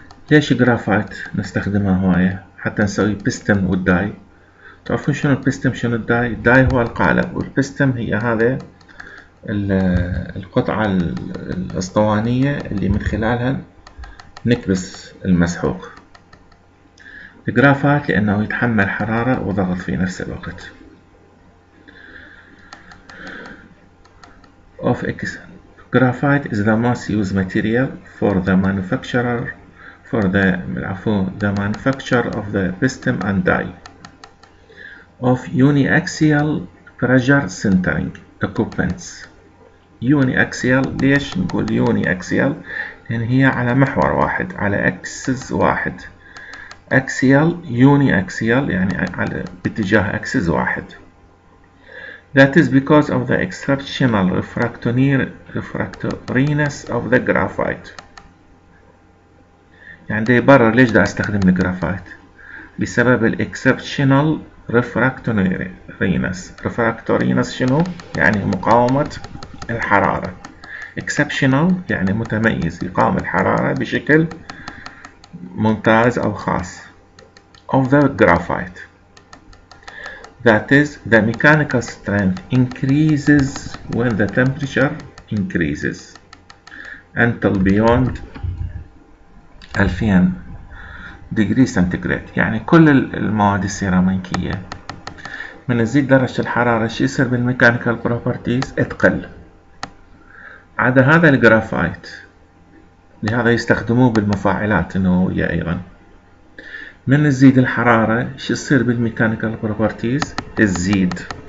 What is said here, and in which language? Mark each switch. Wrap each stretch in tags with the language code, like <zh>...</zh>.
<ar>ليش جرافايت نستخدمه هوايه حتى نسوي بيستم والداي؟ تعرفون شنو البيستم شنو الداي؟ الداي هو القالب، والبيستم هي هذا القطعة الأسطوانية اللي من خلالها نكبس المسحوق. الجرافات لأنه يتحمل حرارة وضغط في نفس الوقت.</ar> <en>of x graphite is the most used material for the manufacturer for the عفوا the manufacture of the piston and die of uniaxial pressure centering equipments.</en> <ar>يوني اكسيال، ليش نقول يوني اكسيال؟ لان هي على محور واحد، على اكسس واحد. اكسيال يوني اكسيال يعني على باتجاه اكسس واحد.</ar> <en>That is because of the exceptional refractoriness of the graphite.</en> <ar>يعني ده يبرر ليش ده استخدم الجرافايت، بسبب الاكسبشنال refractoriness. refractoriness شنو؟ يعني مقاومة الحرارة. exceptional يعني متميز، يقاوم الحرارة بشكل ممتاز أو خاص.</ar> <en>of the graphite that is the mechanical strength increases when the temperature increases until beyond 2000 degree centigrade.</en> <ar>يعني كل المواد السيراميكية من تزيد درجة الحرارة شو يصير بالميكانيكال بروبرتيز؟ تقل، عدا هذا الجرافايت، لهذا يستخدموه بالمفاعلات النووية أيضا. من تزيد الحرارة شو يصير بالميكانيكال بروبرتيز؟ تزيد.</ar>